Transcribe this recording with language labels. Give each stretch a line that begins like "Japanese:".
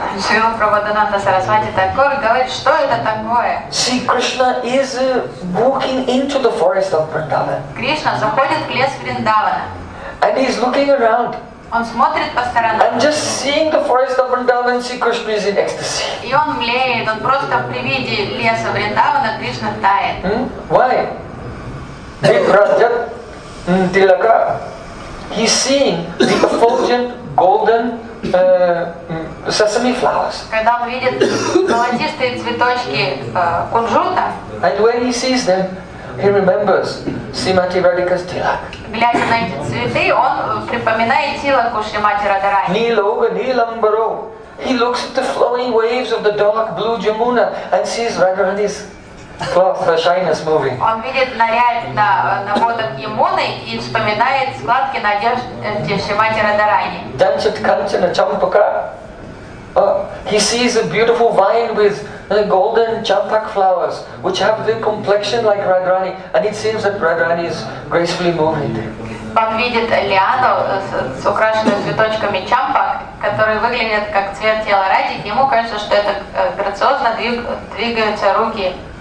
Russian: Srila Prabodhananda Saraswati Thakur говорит, что это такое?
English: See, Krishna is walking into the forest of Vrindavan.
Russian: Krishna заходит в лес Вриндавана.
English: And he is looking around.
Russian: Он смотрит по сторонам.
English: And just seeing the forest of Vrindavan, see, Krishna is in ecstasy.
Russian: И он млеет, он просто при виде леса Вриндавана, Кришна тает.
English: Why?
Sanskrit: Vibrajat Tilaka.
English: He's seeing the effulgent golden sesame flowers.
Russian: Когда он видит золотистые цветочки кунжута.
English: And when he sees them, he remembers Srimati Radhika's tilak.
Russian: Глядя на эти цветы, он припоминает тилак у Шримати Радхарани.
Sanskrit: Нилога нилямбаро.
English: He looks at the flowing waves of the dark blue Jamuna and sees Radharani's cloth, her shyness moving.
Russian: Он видит наряд на водах Ямуны и вспоминает складки на одежде Шримати Радхарани.
Sanskrit: Данчат Канчана Чампака.
English: He sees a beautiful vine with golden champak flowers, which have the complexion like Radharani, and it seems that Radharani is gracefully moving there.
Russian: Он видит лиану с украшенными цветочками чампак, которые выглядят как цвет тела Радики. Ему кажется, что это грациозно двигаются руки.